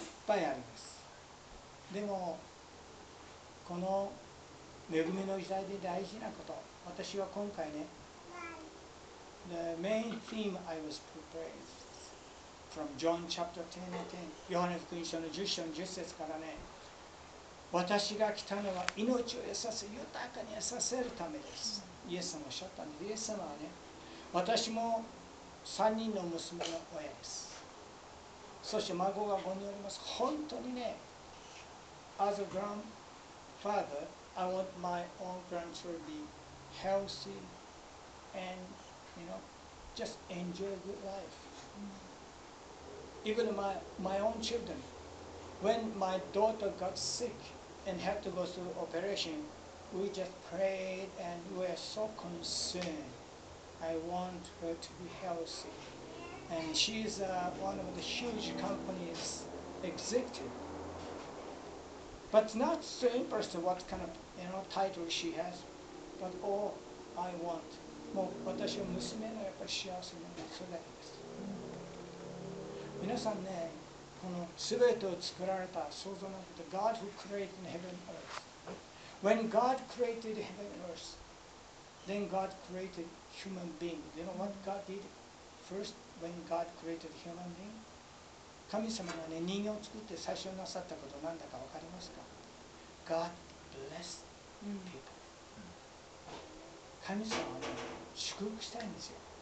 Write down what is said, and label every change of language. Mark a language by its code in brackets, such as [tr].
[ja] いっぱいあります。でも、この恵みの時代で大事なこと、私は今回ね、 [en] The main theme I was prepared from John chapter 10 and 10, [ja] ヨハネ福音書の10章10節からね、私が来たのは命を得させ、豊かに得させるためです。イエス様おっしゃったんで、イエス様はね、私も3人の娘の親です、そして孫が5人おります。本当にね、 [en] As a grandfather I want my own grandchildren to be healthy and you know just enjoy a good life. Even my own children, when my daughter got sick and had to go through operation, we just prayed and we were so concerned. I want her to be healthy. And she's one of the huge companies executive. But not so interested what kind of, you know, title she has. But all I want. [ja] もう私は娘のやっぱり幸せなんだ。それだけです。皆さんね、この全てを作られた創造なんて、 [en] God who created heaven and earth. When God created heaven and earth,Then God created human being. You know what God did first when God created human being? [ja] 神様がね、人間を作って最初なさったことなんだかわかりますか？ [en] God blessed people. [ja] 神様はね、祝福したいんですよ。